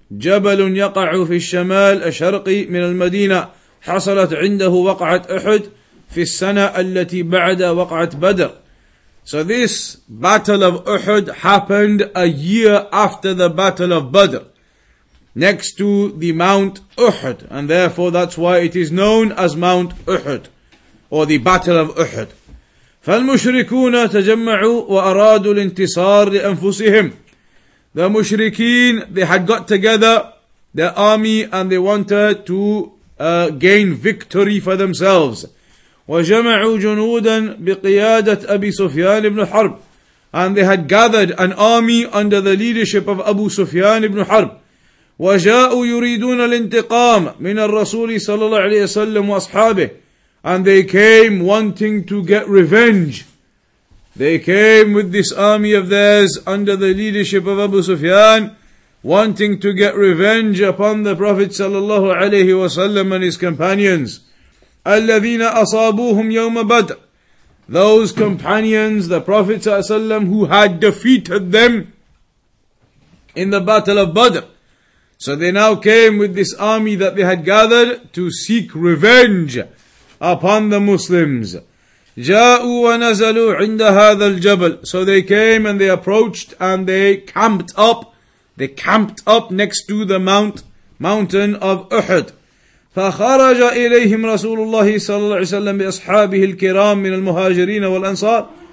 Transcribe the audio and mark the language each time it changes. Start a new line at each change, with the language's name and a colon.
Arabic: جبل يقع في الشمال الشرقي من المدينة حصلت عنده وقعة أحد في السنة التي بعد وقعة بدر.
English: So this battle of Uhud happened a year after the battle of Badr, next to the Mount Uhud, and therefore that's why it is known as Mount Uhud, or the battle of Uhud.
Arabic: فالمشركون تجمعوا وأرادوا الانتصار لأنفسهم.
English: The mushrikeen, they had got together, their army, and they wanted to gain victory for themselves.
Arabic: وَجَمَعُوا جُنُودًا بِقِيَادَةِ أَبِي سُفْيَانِ بْنُ حَرْبِ.
English: And they had gathered an army under the leadership of Abu Sufyan ibn Harb.
Arabic: وَجَاءُوا يُرِيدُونَ الْإِنْتِقَامِ مِنَ الرَّسُولِ صَلَى اللَّهُ عَلَيْهِ وَسَلَّمُ وَأَصْحَابِهِ.
English: And they came wanting to get revenge. They came with this army of theirs under the leadership of Abu Sufyan, wanting to get revenge upon the Prophet sallallahu alayhi wa sallam and his companions.
Arabic: الَّذِينَ أَصَابُوهُمْ يَوْمَ بَدْرٍ.
English: Those companions, the Prophet sallallahu alayhi wa sallam, who had defeated them in the battle of Badr. So they now came with this army that they had gathered to seek revenge upon the Muslims.
Arabic: جاءوا ونزلوا عند هذا الجبل.
English: So they came and they approached and they camped up. They camped up next to the mountain of Uhud.
Arabic: فخرج إليهم رسول الله صلى الله عليه وسلم بأصحابه الكرام من المهاجرين والأنصار.